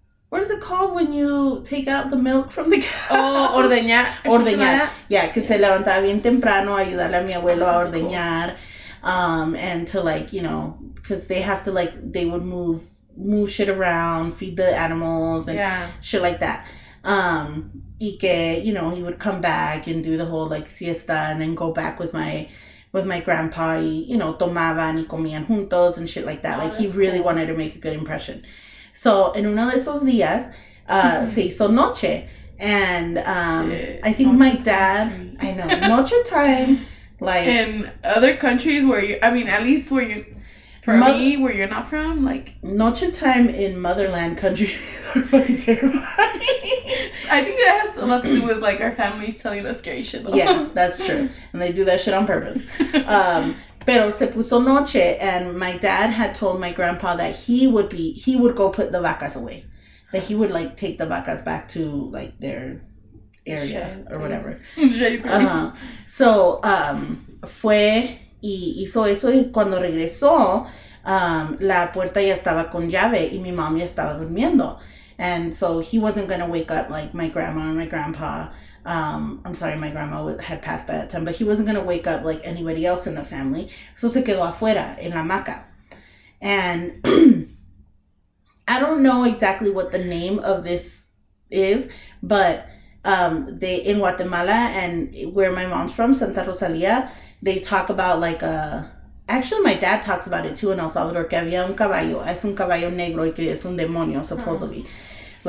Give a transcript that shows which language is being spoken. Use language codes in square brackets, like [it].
[en] What is it called when you take out the milk from the cow? [es] Oh, ordeñar. Ordeñar. [en] Yeah, [es] que se levantaba bien temprano a ayudarle a mi abuelo a ordeñar. [en] And to, like, you know, because they have to, like, they would move shit around, feed the animals and shit like that. Y que, you know, he would come back and do the whole, like, siesta and then go back with my grandpa. Y, you know, [es] tomaban y comían juntos [en] and shit like that. Oh, like, he really wanted to make a good impression. [es] So, en uno de esos días, se hizo noche, [en] and I think noche my dad, time. I know, noche time, like... In other countries where you, I mean, at least where you, for me, where you're not from, like... Noche time in motherland countries are fucking terrifying. I think that has a lot to do with, like, our families telling us scary shit. Yeah, that's true, and they do that shit on purpose. [es] Pero se puso noche, [en] and my dad had told my grandpa that he would go put the vacas away. That he would, like, take the vacas back to, like, their area or whatever. [es] So, fue y hizo eso, y cuando regresó, la puerta ya estaba con llave, y mi mom ya estaba durmiendo. [en] And so he wasn't going to wake up, like, my grandma and my grandpa. I'm sorry, my grandma had passed by that time, but he wasn't going to wake up like anybody else in the family. [es] So se quedó afuera, en la maca. [en] And I don't know exactly what the name of this is, but they in Guatemala and where my mom's from, Santa Rosalia, they talk about like a... Actually, my dad talks about it too in El Salvador, [es] que había un caballo, es un caballo negro y que es un demonio, [en] supposedly. [es] Huh.